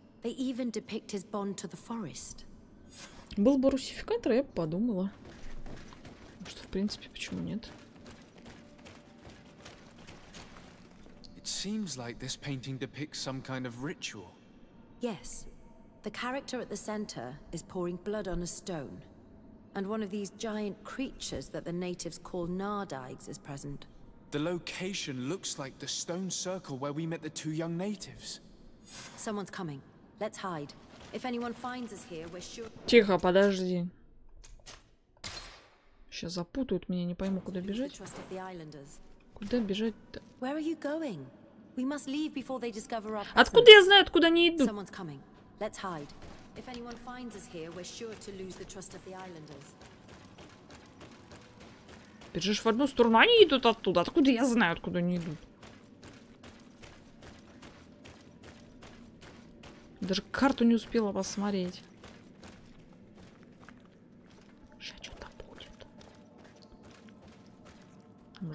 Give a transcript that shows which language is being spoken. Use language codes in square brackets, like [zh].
[en] They even depict his bond to the forest. [ru] Был бы русификатор, я бы подумала. Что, в принципе, почему нет? [en] It seems like this painting depicts some kind of ritual. Yes. The character at the center is pouring blood on a stone. And one of these giant creatures that the natives call Nardigs is present. The location looks like the stone circle where we met the two young natives. Someone's coming. Let's hide. If anyone finds us here, we're sure... [ru] Тихо, подожди. Сейчас запутают меня, не пойму, куда бежать. Куда бежать-то? [en] Where are you going? We must leave before they discover our presence. [ru] Откуда я знаю, откуда они идут? [en] Someone's coming. Let's hide. If anyone finds us here, we're sure to lose the trust of the islanders. [ru] Бежишь в одну сторону, они идут оттуда. Откуда я знаю, откуда они идут? Даже карту не успела посмотреть. Сейчас что-то будет.